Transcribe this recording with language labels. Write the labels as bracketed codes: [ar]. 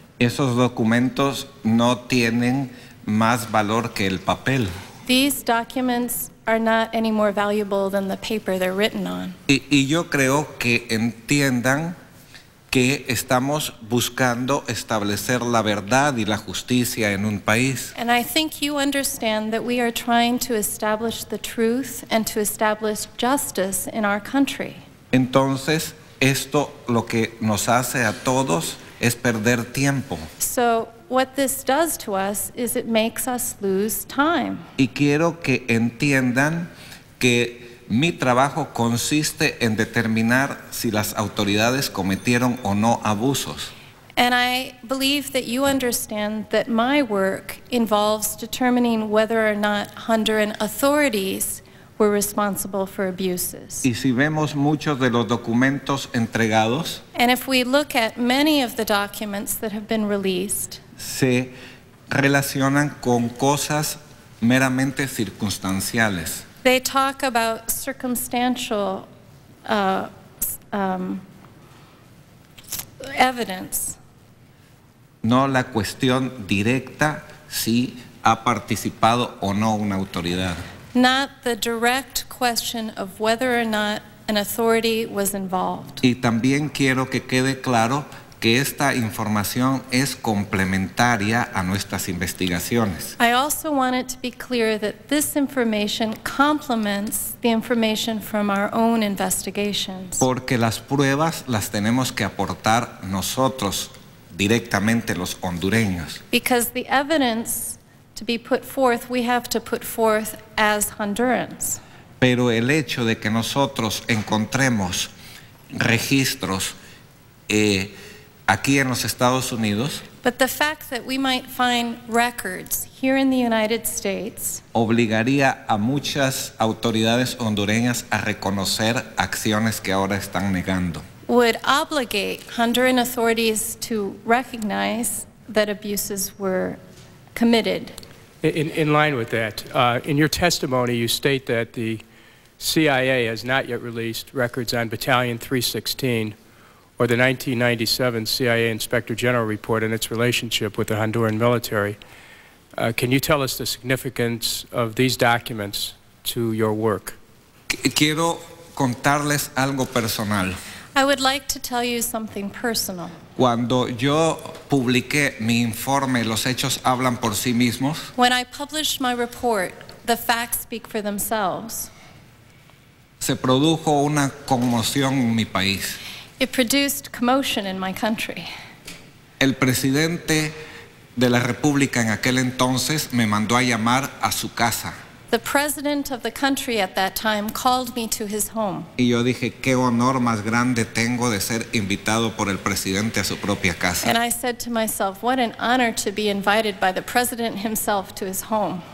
[es] Esos documentos no tienen más valor que el papel. [en] These documents are not any more valuable than the paper they're written on. [es] Y yo creo que entiendan que estamos buscando establecer la verdad y la justicia en un país. [en] And I think you understand that we are trying to establish the truth and to establish justice in our country. [es] Entonces, Esto lo que nos hace a todos es perder tiempo. [en] So what this does to us is it makes us lose time. [es] Y quiero que entiendan que mi trabajo consiste en determinar si las autoridades cometieron o no abusos. [en] And I believe that you understand that my work involves determining whether or not Honduran authorities were responsible for abuses. [es] Y si vemos muchos de los documentos entregados, [en] and if we look at many of the documents that have been released, [es] se relacionan con cosas meramente circunstanciales. [en] They talk about circumstantial evidence. [es] No la cuestión directa si ha participado o no una autoridad. [en] Not the direct question of whether or not an authority was involved. [es] Y también quiero que quede claro que esta información es complementaria a nuestras investigaciones. [en] I also want it to be clear that this information complements the information from our own investigations. [es] Porque las pruebas las tenemos que aportar nosotros directamente los hondureños. [en] Because the evidence to be put forth, we have to put forth as Hondurans. [es] Pero el hecho de que nosotros encontremos registros aquí en los Estados Unidos, [en] but the fact that we might find records here in the United States, [es] obligaría a muchas autoridades hondureñas a reconocer acciones que ahora están negando. [en] Would obligate Honduran authorities to recognize that abuses were committed. In line with that, in your testimony, you state that the CIA has not yet released records on Battalion 316 or the 1997 CIA Inspector General report and its relationship with the Honduran military. Can you tell us the significance of these documents to your work? [es] Quiero contarles algo personal. [en] I would like to tell you something personal. [es] Cuando yo publiqué mi informe, los hechos hablan por sí mismos. [en] When I published my report, the facts speak for themselves. [es] Se produjo una conmoción en mi país. [en] It produced commotion in my country. [es] El presidente de la República en aquel entonces me mandó a llamar a su casa. [en] The president of the country at that time called me to his home. [es] Y yo dije, qué honor más grande tengo de ser invitado por el presidente a su propia casa. [en] And I said to myself, what an honor to be invited by the president himself to his home.